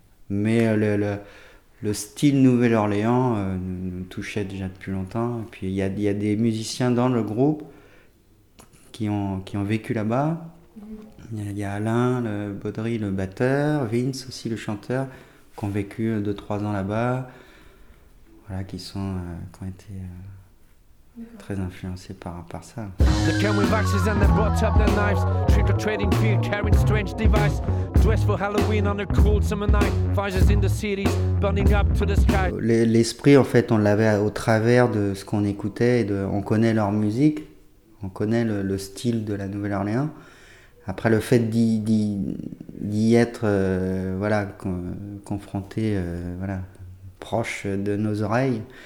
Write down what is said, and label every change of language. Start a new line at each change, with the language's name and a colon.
French: Mais le style Nouvelle-Orléans nous touchait déjà depuis longtemps. Et puis il y a des musiciens dans le groupe qui ont vécu là-bas. Il y a Alain le Baudry, le batteur, Vince aussi le chanteur, qui ont vécu 2-3 ans là-bas. Voilà, qui ont été très influencés par ça.
English: The came with axes and they brought up their knives. Trick or treating fear, carrying strange device. Dressed for Halloween on a cold summer night. Fires in the cities, burning up to the sky.
French: L'esprit, en fait, on l'avait au travers de ce qu'on écoutait. On connaît leur musique, on connaît le style de la Nouvelle-Orléans. Après, le fait d'y être voilà, confronté, voilà, proche de nos oreilles.